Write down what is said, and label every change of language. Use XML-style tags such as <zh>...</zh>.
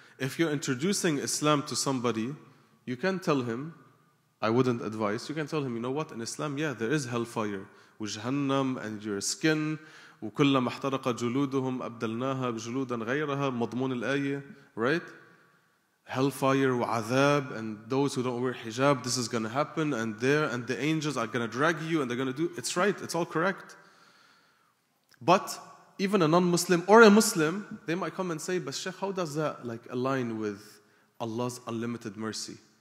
<en>If you're introducing Islam to somebody, you can tell him, I wouldn't advise, you can tell him, you know what, in Islam, yeah, there is hellfire.</en> <ar>وجهنم</ar> <en>and your skin,</en> <ar>وكلما احترق جلودهم أبدلناها بجلودا غيرها مضمون الآية,</ar> <en>right? Hellfire, وعذاب, and those who don't wear hijab, this is going to happen, and there, and the angels are going to drag you, and they're going to do, it's right, it's all correct. But even a non-Muslim or a Muslim, they might come and say, but Sheikh, how does that like align with Allah's unlimited mercy?</en>